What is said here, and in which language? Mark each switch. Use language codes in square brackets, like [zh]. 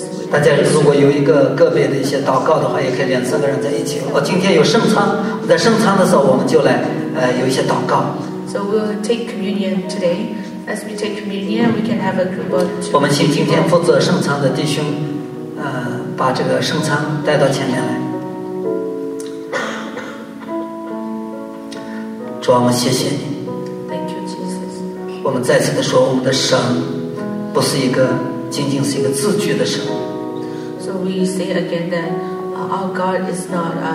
[zh] 大家如果有一个个别的一些祷告的话，也可以两三个人在一起。今天有圣餐，我在圣餐的时候，我们就来有一些祷告。 [en] So we'll take communion today. As we take communion, we can have a group of two. [zh] 我们请今天负责圣餐的弟兄，把这个圣餐带到前面来。主啊，我们谢谢你。 [en] Thank you, Jesus. [zh] 我们再次的说，我们的神不是一个仅仅是一个字句的神。 [en] So we say again that our God is not